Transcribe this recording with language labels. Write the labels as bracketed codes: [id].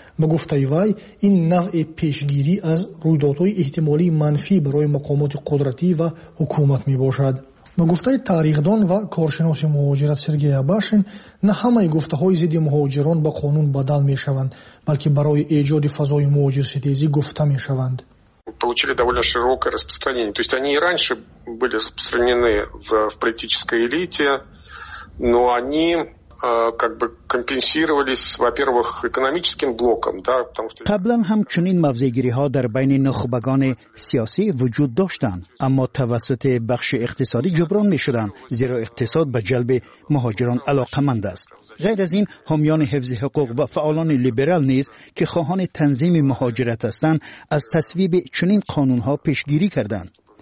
[fa] به گفته وی این نوع پیشگیری از رویدادهای احتمالی منفی برای مقامات قدرتی و حکومت میباشد. به گفته تاریخ‌دان و کارشناس مهاجرت سرگئی آباشین، نه همه گفته‌های ضد مهاجران با قانون بدل می‌شوند، بلکه برای ایجاد فضای مهاجرستیزی گفته می‌شوند. [ru] получили довольно широкое распространение. То есть они и раньше были распространены в политической элите, но они как бы компенсировались, во-первых, экономическим блоком, да, потому что [fa] قبلاً همچنین موضع‌گیری‌ها در بین نخبگان سیاسی وجود داشتند، اما توسط بخش اقتصادی جبران می‌شدند، زیرا اقتصاد به جلب مهاجران علاقه‌مند است. غیر از این، حامیان حفظ حقوق و فعالان لیبرال نیز که خواهان تنظیم مهاجرت هستند، از تصویب چنین قانون‌ها پیشگیری کردند.